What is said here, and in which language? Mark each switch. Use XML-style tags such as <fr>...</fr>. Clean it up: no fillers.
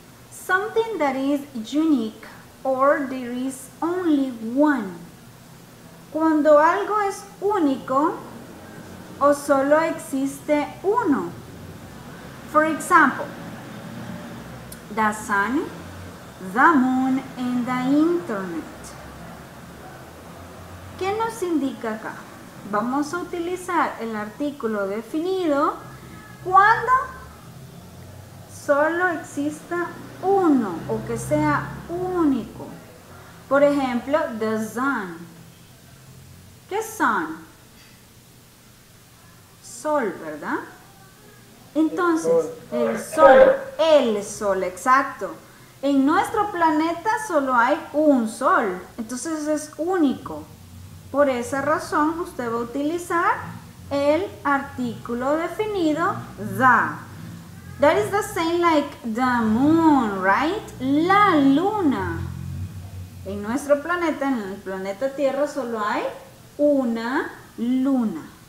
<en>Something that is unique or there is only one.</en> <es>Cuando algo es único o solo existe uno.</es> <en>For example, the sun, the moon, and the internet.</en> <es>¿Qué nos indica acá? Vamos a utilizar el artículo definido cuando solo exista uno o que sea único. Por ejemplo,</es> <en>the sun.</en> <es>¿Qué sun? Sol, ¿verdad? Entonces, el sol, exacto. En nuestro planeta solo hay un sol, entonces es único. Por esa razón usted va a utilizar el artículo definido the.</es> <en>That is the same like the moon, right?</en> <es>La luna. En nuestro planeta, en el planeta Tierra, solo hay una luna.</es>